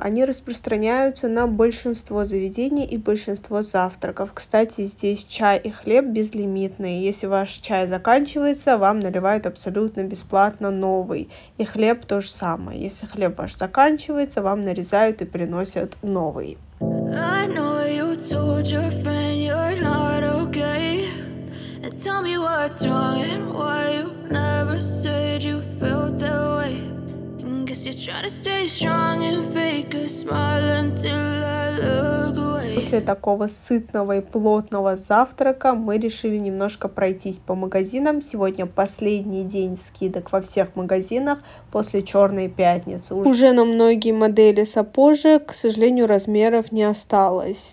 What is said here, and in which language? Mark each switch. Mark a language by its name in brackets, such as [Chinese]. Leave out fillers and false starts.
[Russian] Они распространяются на большинство заведений и большинство завтраков. Кстати, здесь чай и хлеб безлимитные. Если ваш чай заканчивается, вам наливают абсолютно бесплатно новый. И хлеб то же самое. Если хлеб ваш заканчивается, вам нарезают и приносят новый. [English] I know you told your friend you're not okay. And tell me what's wrong and why you never said you felt that way. And guess you're trying to stay strong and fake a smile until I look away. [Russian] После такого сытного и плотного завтрака мы решили немножко пройтись по магазинам. Сегодня последний день скидок во всех магазинах после Черной пятницы. Уже на многие модели сапожек, к сожалению, размеров не осталось.